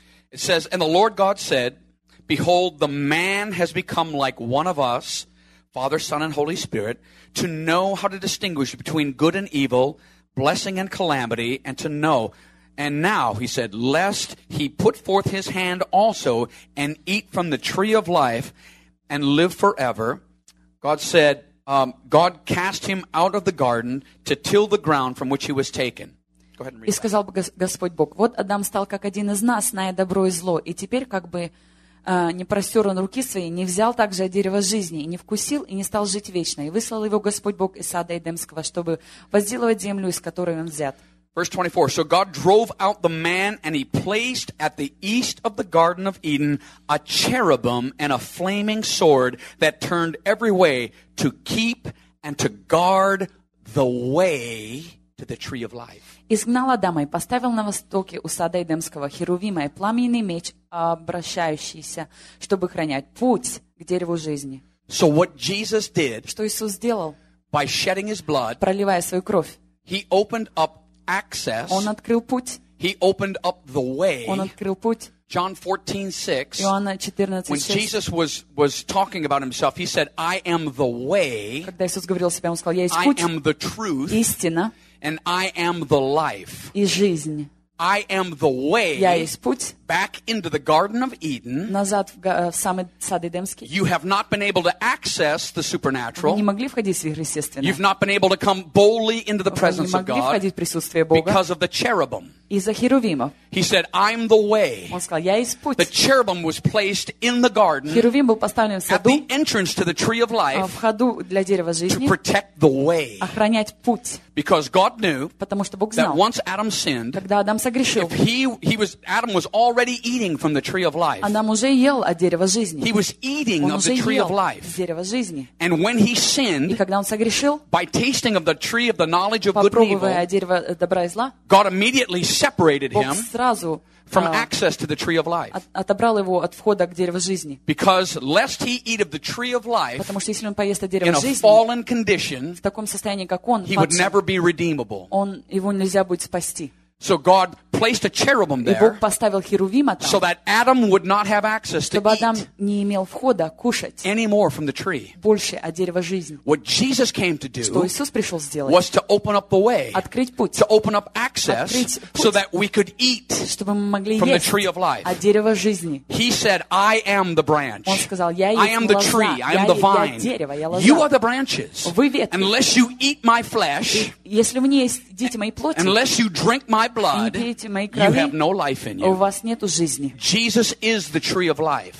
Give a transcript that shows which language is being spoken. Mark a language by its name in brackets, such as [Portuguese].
[English] It says, "And the Lord God said, Behold, the man has become like one of us, Father, Son, and Holy Spirit, to know how to distinguish between good and evil, blessing and calamity, and to know. And now, he said, lest he put forth his hand also and eat from the tree of life and live forever." God said, God cast him out of the garden to till the ground from which he was taken. [Russian] И сказал Господь Бог, вот Адам стал как один из нас, зная добро и зло, и теперь как бы не простер он руки свои, не взял также от дерева жизни, и не вкусил, и не стал жить вечно. И выслал его Господь Бог из сада Эдемского, чтобы возделывать землю, из которой он взят. [English] Verse 24. So God drove out the man, and he placed at the east of the Garden of Eden a cherubim and a flaming sword that turned every way to keep and to guard the way to the tree of life. [Russian] Изгнал Адама и поставил на востоке у сада Эдемского херувима и пламенный меч, обращающийся, чтобы охранять путь к дереву жизни. [English] So what Jesus did? [Russian] Что Иисус сделал? [English] By shedding his blood, [Russian] проливая свою кровь, [English] he opened up access. [Russian] Он открыл путь. [English] He opened up the way. [Russian] Он открыл путь. [English] John 14:6. [Russian] Иоанна 14:6. [English] When Jesus was talking about himself, he said, "I am the way." [Russian] Когда Иисус говорил о себе, он сказал, "Я есть путь." [English] I am the truth. [Russian] Истина. [English] And I am the life. [Russian] И жизнь. [English] I am the way. [Russian] Я есть путь. [English] Back into the Garden of Eden. [Russian] Назад в самый сад Эдемский. [English] You have not been able to access the supernatural. [Russian] Вы не могли входить в сверхъестественное. [English] You've not been able to come boldly into the presence of God. [Russian] Вы не могли входить в присутствие Бога. [English] Because of the cherubim. [Russian] Из-за херувимов. [English] He said, "I'm the way." [Russian] Он сказал, "Я есть путь." [English] The cherubim was placed in the garden. [Russian] Херувим был поставлен в саду. [English] At the entrance to the tree of life. [Russian] В ходу для дерева жизни. [English] To protect the way. [Russian] Охранять путь. [English] Because God knew. [Russian] Потому что Бог знал. [English] That once Adam sinned. [Russian] Когда Адам согрешил. [English] Adam was already eating from the tree of life. [Russian] Адам уже ел от дерева жизни. [English] He was eating of the tree of life. [Russian] Дерево жизни. [English] And when he sinned. [Russian] И когда он согрешил. [English] By tasting of the tree of the knowledge of good and evil. [Russian] Попробовав дерево добра и зла. [English] God immediately separated him [Russian] сразу, [English] from access to the tree of life. [Russian] Отобрал его от входа к дереву жизни. [English] Because lest he eat of the tree of life, [Russian] потому что если он поест от дерева [English] in [Russian] жизни, [English] a fallen condition, [Russian] в таком состоянии, как он, [English] he [Russian] падший, [English] would never be redeemable. [Russian] Он, его нельзя будет спасти. [English] So God placed a cherubim there, [Russian] и Бог поставил херувима там, [English] so that Adam would not have access to [Russian] чтобы Адам не имел входа кушать [English] anymore from the tree. [Russian] Больше от дерева жизни. [English] What Jesus came to do, [Russian] что Иисус пришел сделать, [English] was to open up the way, [Russian] открыть путь, [English] to open up access, [Russian] открыть путь, [English] so that we could eat, [Russian] чтобы мы могли [English] from [Russian] есть [English] the tree of life. [Russian] От дерева жизни. [English] He said, "I am the branch." [Russian] Он сказал, я есть [English] I am the tree. I am the vine. [Russian] Я дерево, я лоза. [English] You are the branches. [Russian] Вы ветви. [English] Unless you eat my flesh, [Russian] и, если вы не едите моей плоти, [English] unless you drink my blood, [Russian] и не пейте моей крови, [English] you have no life in you. [Russian] У вас нету жизни. [English] Jesus is the tree of life.